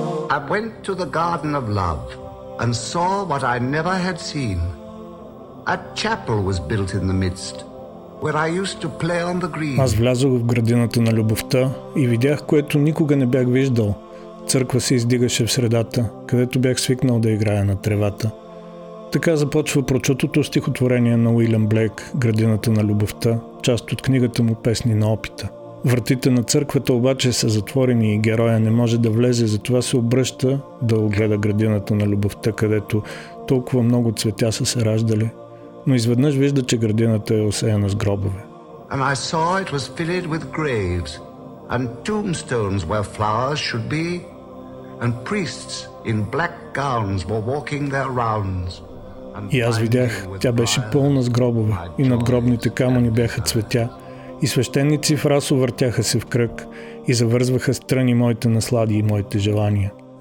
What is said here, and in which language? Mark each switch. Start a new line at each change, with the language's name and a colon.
English: I went to the Garden of Love and saw what I never had seen. A chapel was built in the midst, where I used to play on the green.
Bulgarian: Аз влязох в градината на любовта и видях, което никога не бях виждал. Църква се издигаше в средата, където бях свикнал да играя на тревата. Така започва прочутото стихотворение на Уилям Блейк, Градината на любовта, част от книгата му Песни на опита. Вратите на църквата обаче са затворени и героя не може да влезе, затова се обръща да огледа градината на любовта, където толкова много цветя са се раждали. Но изведнъж вижда, че градината е осеяна с гробове.
English: And I saw it was filled with graves and tombstones where flowers should be, and priests in black gowns were walking their rounds.
Bulgarian: И аз видях, тя беше пълна с гробове и над гробните камъни бяха цветя. И свещеници в расо въртяха се в кръг и завързваха страни моите наслади и моите желания.